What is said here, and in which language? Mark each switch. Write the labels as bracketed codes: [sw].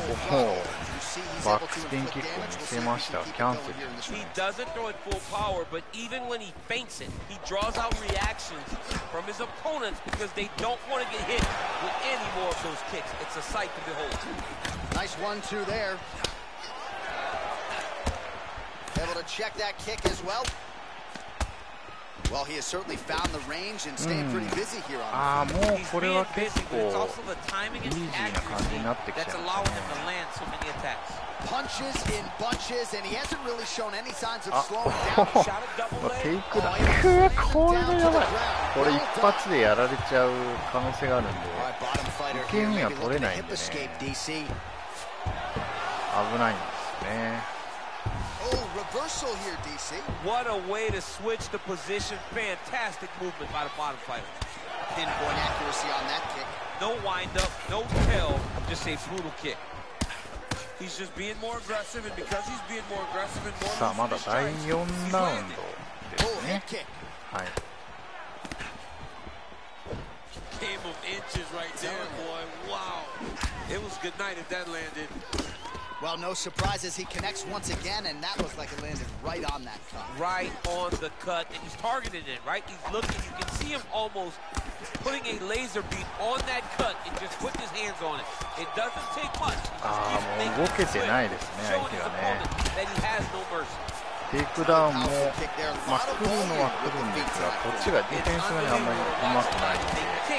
[ja] ここもバックスピンキックを見せました。キャンセルですね。 [en] He full power, but even when he faints it, he draws out reactions from his opponents because they don't want to get hit with any more of those kicks. It's a sight to behold. Nice 1-2 there. Able to check that kick as well. Well, he has certainly found the range and staying pretty busy here on. [ja] Ah, もうこれは結構easy な感じになってきちゃいましたね。 [en] Punches in bunches, and he hasn't really shown any signs of slowing down. Shot a double leg. Take that. [ja] これでやばい。これ一発でやられちゃう可能性があるんで、受け身は取れないんでね。危ないんですね。 [en] Reversal here, DC. What a way to switch the position. Fantastic movement by the bottom fighter. Pinpoint accuracy on that kick. No wind-up, no tail, just a brutal kick. He's just being more aggressive, and because he's being more aggressive and more than his strikes, he's landing. Oh, head kick. Hi. Game of inches right there, boy. Wow. It was good night if that landed. Well, no surprises. He connects once again, and that looks like it landed right on that cut. Right on the cut, and he's targeted it, right? He's looking. You can see him almost putting a laser beam on that cut and just putting his hands on it. It doesn't take much. [ja] Ah, もう動けてないですね、相手はね。 [en] That he has no mercy. [ja] テイクダウンも、まあ、来るのは来るんですが、こっちがディフェンスがあんまりうまくないんで。